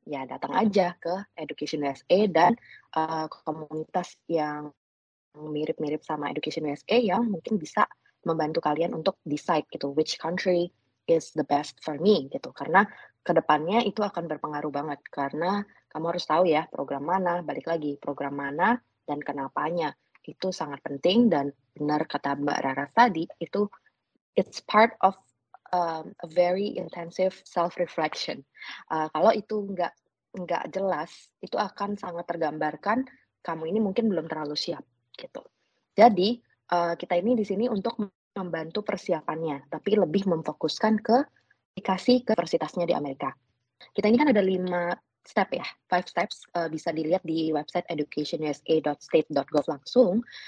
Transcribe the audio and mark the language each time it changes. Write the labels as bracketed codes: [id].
[id] Ya datang aja ke Education USA dan komunitas yang mirip-mirip sama Education USA yang mungkin bisa membantu kalian untuk [en] decide gitu, which country is the best for me gitu. [id] Karena kedepannya itu akan berpengaruh banget, karena kamu harus tahu ya program mana, balik lagi program mana dan kenapanya, itu sangat penting. Dan benar kata Mbak Rara tadi, itu [en] it's part of a very intensive self-reflection. [id] Kalau itu nggak jelas, itu akan sangat tergambarkan kamu ini mungkin belum terlalu siap gitu. Jadi kita ini di sini untuk membantu persiapannya, tapi lebih memfokuskan ke aplikasi ke universitasnya di Amerika. Kita ini kan ada 5 step ya, 5 steps, bisa dilihat di website educationusa.state.gov langsung.